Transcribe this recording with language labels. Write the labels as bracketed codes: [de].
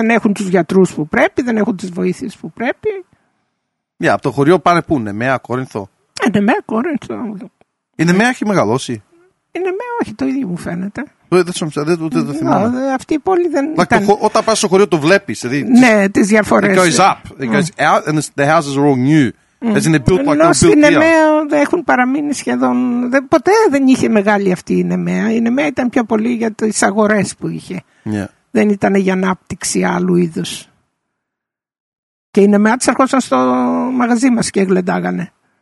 [el] Δεν έχουν τους γιατρούς που πρέπει, δεν έχουν τις βοήθειες που πρέπει. [en] Yeah, [el] από το χωριό πάνε πού, Νεμαία, Κόρινθο? Νεμαία, Κόρινθο. Η Νεμαία έχει μεγαλώσει. Η Νεμαία, όχι, το ίδιο μου φαίνεται. Δεν το θυμάμαι. [en] No, [el] αυτή η πόλη δεν [en] like [el] ήταν. Όταν πας στο χωριό το βλέπεις. Δηλαδή, ναι, τις διαφορές. [en] It goes up, it goes out and the houses are all new. As in built like built [el] η Νεμαία έχουν παραμείνει σχεδόν, ποτέ δεν είχε μεγάλη αυτή η Νεμαία. Η Νεμαία ήταν πιο πολύ για τις αγορές που είχε. [en] Yeah. [el] Δεν ήταν για ανάπτυξη άλλου είδους. Και οι Νεμαία τους έρχονταν στο μαγαζί μας και γλεντάγανε.